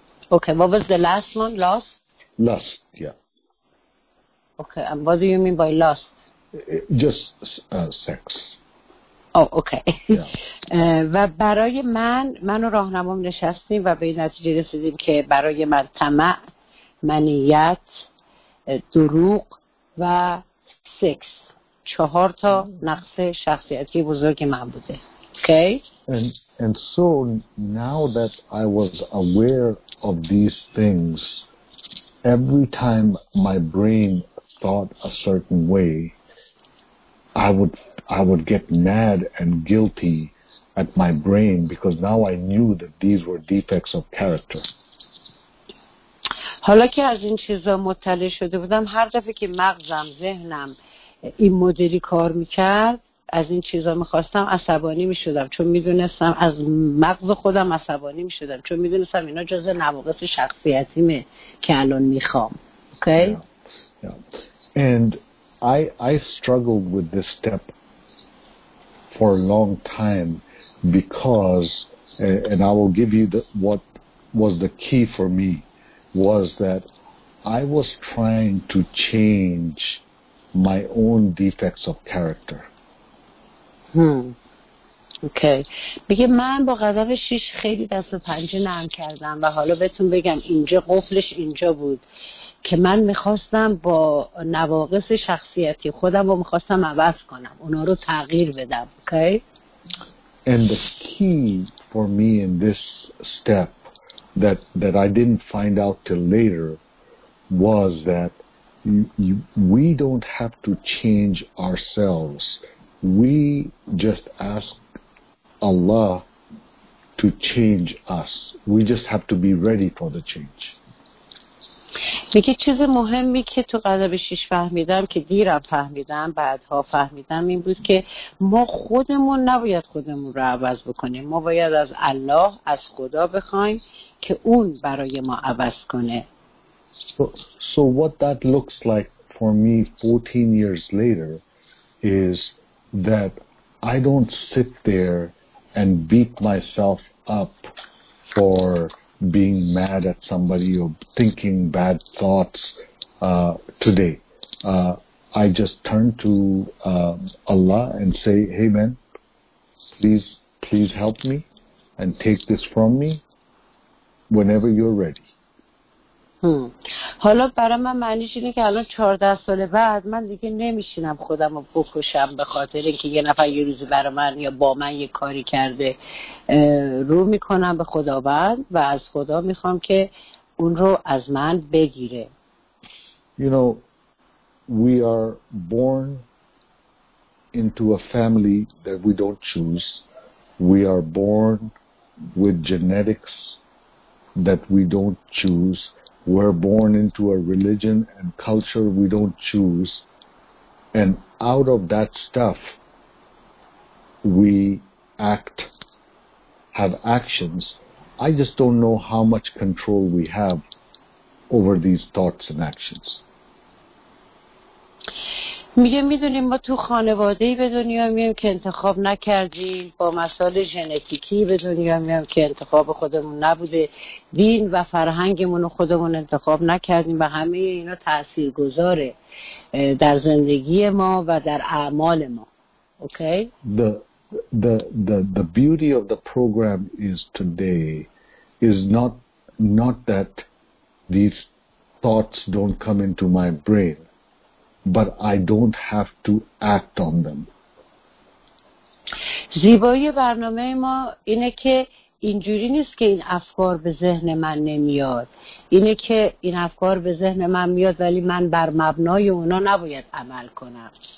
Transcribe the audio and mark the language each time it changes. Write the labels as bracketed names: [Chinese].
[English] Okay, what was the last one? Lust? Lust, yeah. Okay, and what do you mean by lust? Just sex. Oh, okay. [Persian] و برای من، من و راهنمام نشستیم و به این نتیجه رسیدیم که برای من طمع، منیت، دروغ و سکس چهار تا نقص شخصیتی بزرگ من بوده. [English] Okay? And so now that I was aware of these things, every time my brain thought a certain way, I would get mad and guilty at my brain because now I knew that these were defects of character. [Persian] حالا که از این چیزا مطلع شده بودم هر دفعه که مغزم ذهنم این مدلی کار میکرد از این چیزا میخواستم عصبانی میشدم چون میدونستم از مغز خودم عصبانی میشدم چون میدونستم اینا جزء نواقص شخصیتیمه که الان میخوام. [English] Okay? Yeah. And I struggled with this step for a long time because, and I will give you what was the key for me, was that I was trying to change my own defects of character. Okay. [Persian] بگه من با قدم شیش خیلی دست و پنجه نرم کردم و حالا بهتون بگم اینجا قفلش اینجا بود که من میخواستم با نواقص شخصیتی خودم رو میخواستم عوض کنم اونا رو تغییر بدم. [English] Okay? And the key for me in this step that I didn't find out till later was that we don't have to change ourselves. We just ask Allah to change us. We just have to be ready for the change. [Persian] میگه چیز مهمی که تو قدم شیش فهمیدم که دیرم فهمیدم بعدها فهمیدم این بود که ما خودمون نباید خودمون رو عوض بکنیم، ما باید از الله، از خدا بخوایم که اون برای ما عوض کنه. [English] So what that looks like for me 14 years later is that I don't sit there and beat myself up for being mad at somebody or thinking bad thoughts today. I just turn to Allah and say, hey man, please help me and take this from me whenever you're ready. [Persian] حالا برای من معنیش اینه که الان 14 سال بعد من دیگه نمیشینم خودم رو بکشم به خاطر اینکه یه نفر یه روزی برای من یا با من یه کاری کرده. رو میکنم به خداوند و از خدا میخوام که اون رو از من بگیره. [English] You know, we are born into a family that we don't choose. We are born with genetics that we don't choose. We're born into a religion and culture we don't choose, and out of that stuff we act, have actions. I just don't know how much control we have over these thoughts and actions. [Persian] میگه میدونیم ما تو خانواده‌ای به دنیا میایم که انتخاب نکردیم، با مسائل ژنتیکی به دنیا میایم که انتخاب خودمون نبوده، دین و فرهنگمون رو خودمون انتخاب نکردیم و همه اینا تأثیر گذاره در زندگی ما و در اعمال ما. [English] Okay? The beauty of the program is today is not that these thoughts don't come into my brain, but I don't have to act on them. [Persian] زیبایی برنامه ما اینه که اینجوری نیست که این افکار به ذهن من نمیاد، اینه که این افکار به ذهن من میاد ولی من بر مبنای اونا نباید عمل کنم.